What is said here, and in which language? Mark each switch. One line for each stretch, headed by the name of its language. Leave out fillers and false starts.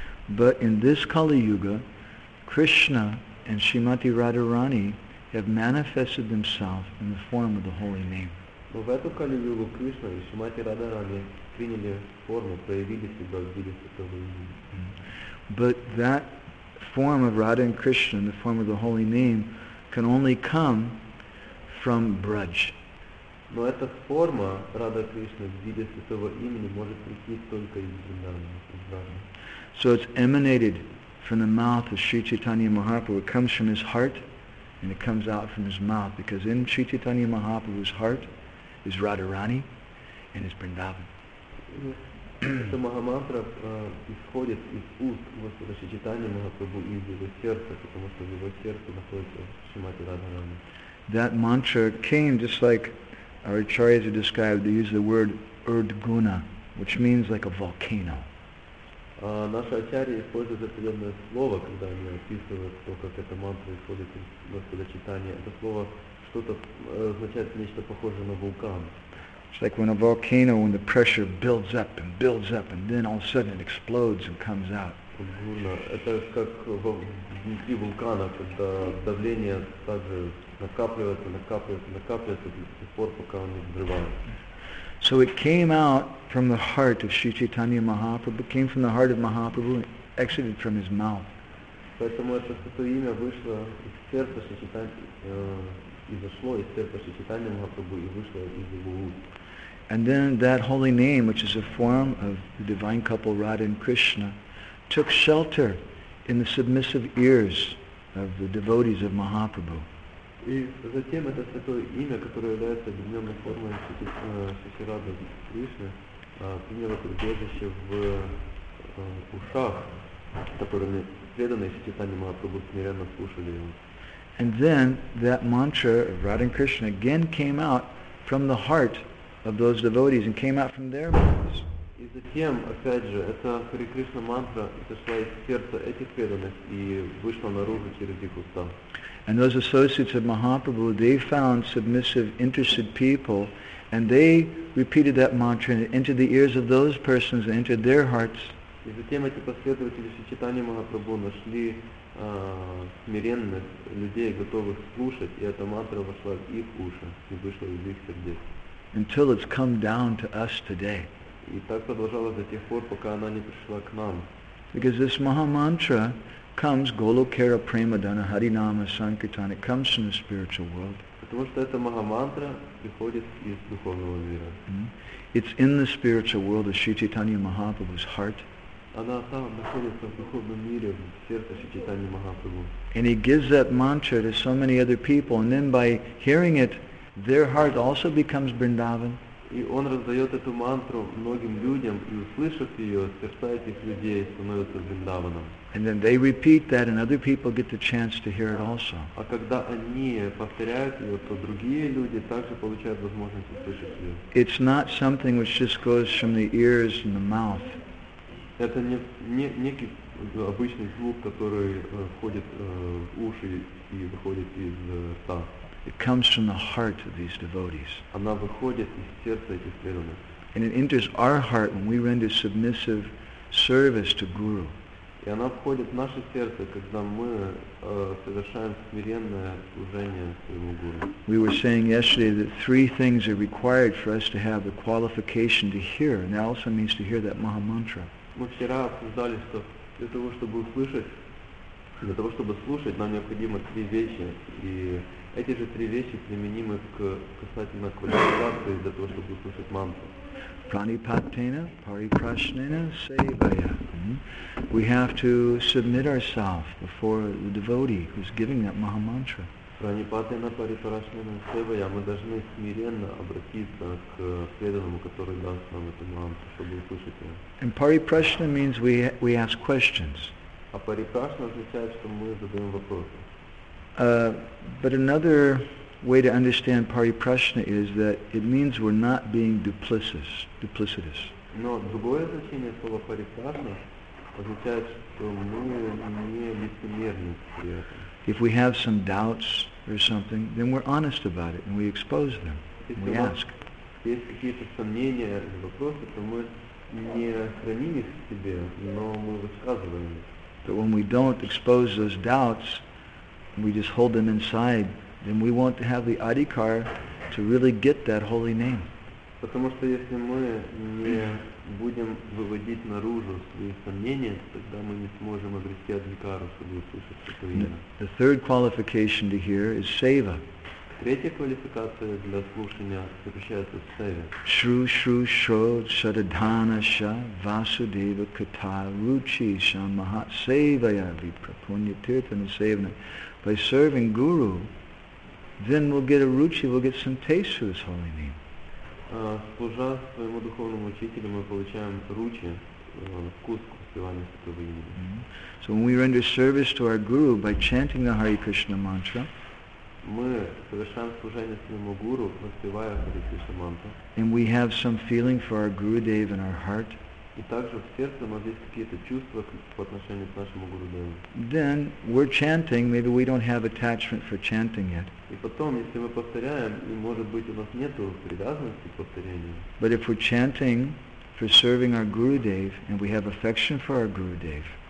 English: But in this Kali Yuga, Krishna and Srimati Radharani have manifested themselves in the form of the holy name.
Russian: Но в эту Kali Yugu Krishna и Srimati Radharani приняли форму, проявили себя в виде этого имени.
English: But that form of Radha and Krishna, the form of the holy name, can only come from Braj.
Russian: Но эта форма Радха Кришны в виде святого имени может прийти только из Вриндавана.
English: So it's emanated from the mouth of Sri Chaitanya Mahaprabhu. It comes from his heart, and it comes out from his mouth, because in Sri Chaitanya Mahaprabhu's heart is Radharani, and is Vrindavan.
Russian: Эта Махамантра исходит из уст Господа Шри Чайтаньи Махапрабху и из его сердца, потому что в его сердце находится Шримати Радхарани.
English: That mantra came just like our acharyas described, they use the word urdguna, which means like a volcano.
Russian: Наши ачарьи используют определенное слово, когда они описывают то, как эта мантра исходит из Господа Чайтаньи. Это слово что-то означает нечто похожее на вулкан.
English: It's like when a volcano, when the pressure builds up and builds up, and then all of a sudden it explodes and comes out.
Russian: Это как внутри вулкана, когда давление также накапливается, накапливается, накапливается до тех пор, пока он не взрывается.
English: So it came out from the heart of Sri Chaitanya Mahaprabhu, came from the heart of Mahaprabhu, exited from his mouth.
Russian: Поэтому это святое имя вышло из сердца Шри Чайтаньи, изошло из сердца Шри Чайтаньи Махапрабху и вышло из его уст.
English: And then that holy name, which is a form of the divine couple Radha and Krishna, took shelter in the submissive ears of the devotees of Mahaprabhu.
Russian: И затем это святое имя, которое является объединенной формой Шихирады Кришны, приняло прибежище в ушах, которыми преданные Шихитани Махапрабху смиренно слушали его.
English: And then that mantra of Radha and Krishna again came out from the heart of those devotees and came out from their mouths.
Russian: И затем, опять же, эта Хари Кришна мантра сошла из сердца этих преданных и вышла наружу через их уста.
English: And those associates of Mahaprabhu, they found submissive, interested people, and they repeated that mantra and it entered the ears of those persons and entered their hearts.
Russian: И затем эти последователи Шичитани Махапрабху нашли смиренных людей, готовых слушать, и эта мантра вошла в их уши и вышла из их сердец.
English: Until it's come down to us today.
Russian: И так продолжалось до тех пор, пока она не пришла к нам.
English: Because this Maha-mantra comes
Sanskrit: Golokara Premadana Harinama Sankirtana.
English: It comes from the spiritual world.
Russian: Потому что эта Маха-мантра приходит из духовного мира. Mm-hmm.
English: It's in the spiritual world of Sri Chaitanya Mahaprabhu's heart.
Russian: Она там находится в духовном мире, в сердце Шри Чайтаньи Махапрабху.
English: And he gives that mantra to so many other people, and then by hearing it, their heart also becomes Vrindavan.
Russian: И он раздает эту мантру многим людям, и услышав ее, сердца этих людей становятся Вриндаваном.
English: And then they repeat that, and other people get the chance to hear it also.
Russian: А когда они повторяют ее, то другие люди также получают возможность услышать ее.
English: It's not something which just goes from the ears and the mouth.
Russian: Это некий обычный звук, который входит в уши и выходит из рта.
English: It comes from the heart of these devotees.
Russian: Она выходит из сердца этих преданных.
English: And it enters our heart when we render submissive service to Guru.
Russian: И она входит в наше сердце, когда мы совершаем смиренное служение своему Гуру.
English: We were saying yesterday that three things are required for us to have the qualification to hear, and that also means to hear that Maha-mantra.
Russian: Мы вчера обсуждали, что для того, чтобы слушать, нам необходимо три вещи. И эти же три вещи применимы касательно квалификации для того, чтобы услышать мантру.
Sanskrit: Pranipattena, Pariprashnena, Sevaya.
English: We have to submit ourselves before the devotee who's giving that Maha Mantra.
Sanskrit: Pranipattena, Pariprashnena, Sevaya.
Russian: Мы должны смиренно обратиться к преданному, который даст нам эту мантру, чтобы услышать ее.
English: And Pariprashnena means we ask questions.
Russian: А Pariprashnena означает, что мы задаем вопросы.
English: But another way to understand Pariprashna is that it means we're not being duplicitous.
Russian: Но другое значение слова Pariprashna означает, что мы не лицемерны.
English: If we have some doubts or something, then we're honest about it and we expose them. We ask.
Russian: Есть какие-то сомнения или вопросы, то мы не храним их в себе, но мы высказываем их.
English: But when we don't expose those doubts, we just hold them inside, then we want to have the adhikar to really get that holy name.
Russian: Потому что если мы не будем выводить наружу свои сомнения, тогда мы не сможем обрести адхикару, чтобы услышать это имя.
English: The third qualification to hear is seva.
Russian: Третья квалификация для слушания заключается в севе. Shru shru shro shadadhana sha vasudeva kata ruchi sha mahat sevaya vipraponya tirthana sevana.
English: By serving Guru, then we'll get a ruchi, we'll get some taste for His holy name.
Russian: Служа своему духовному учителю, мы получаем ручи, вкус воспевания святого имени.
English: So when we render service to our Guru by chanting the Hare Krishna mantra,
Russian: мы совершаем служение своему Гуру, воспевая Hare Krishna mantra,
English: and we have some feeling for our Gurudev in our heart,
Russian: И также в сердце у нас есть какие-то чувства по отношению к нашему Гурудеву.
English: Then we're chanting, maybe we don't have attachment for chanting yet.
Russian: И потом, если мы повторяем, и может быть у нас нету привязанности к повторению.
English: But if we're chanting for serving our Gurudev and we have affection for our Gurudev.